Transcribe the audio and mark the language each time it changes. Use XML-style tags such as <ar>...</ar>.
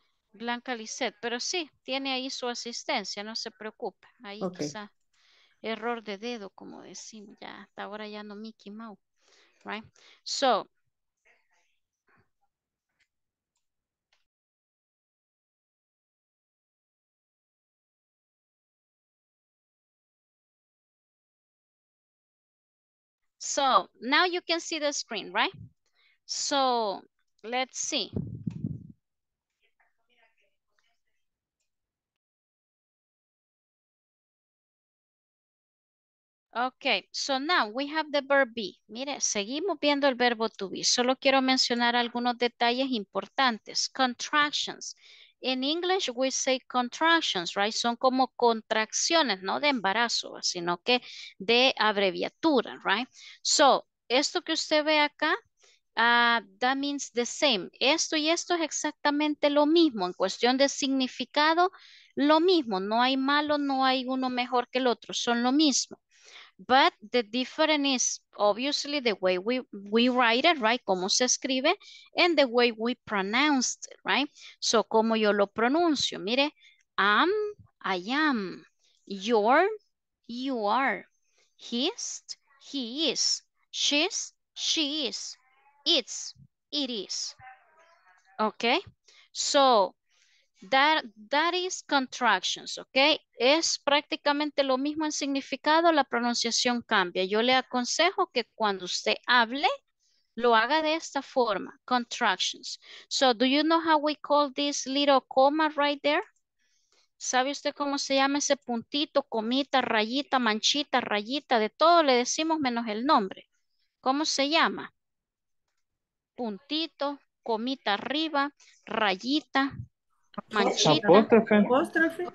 <es>Blanca Lizette, pero sí, tiene ahí su asistencia, no se preocupe. Ahí okay. Quizá. Error de dedo, como decimos, ya, hasta ahora ya no Mickey Mouse, right?</es> <en>So, so, now you can see the screen, right? So, let's see. Okay, so now we have the verb be.</en> <es>Mire, seguimos viendo el verbo to be. Solo quiero mencionar algunos detalles importantes.</es> <en>Contractions. In English we say contractions, right?</en> <es>Son como contracciones, no de embarazo, sino que de abreviatura, right? So, esto que usted ve acá,</es> <en>that means the same.</en> <es>Esto y esto es exactamente lo mismo en cuestión de significado, lo mismo. No hay malo, no hay uno mejor que el otro, son lo mismo.</es> <en>But the difference is obviously the way we write it, right?</en> <es>Cómo se escribe,</es> <en>and the way we pronounce it, right? So,</en> <es>cómo yo lo pronuncio. Mire,</es> <en>I'm, I am, your, you are, his, he is, she's, she is, it's, it is. Okay? So, That is contractions, ¿ok?</en> <es>Es prácticamente lo mismo en significado, la pronunciación cambia. Yo le aconsejo que cuando usted hable, lo haga de esta forma, contractions.</es> <en>So, do you know how we call this little comma right there?</en> <es>¿Sabe usted cómo se llama ese puntito, comita, rayita, manchita, rayita? De todo le decimos menos el nombre. ¿Cómo se llama? puntito, comita arriba, rayita, manchita. Apóstrofe. Apóstrofe.</es>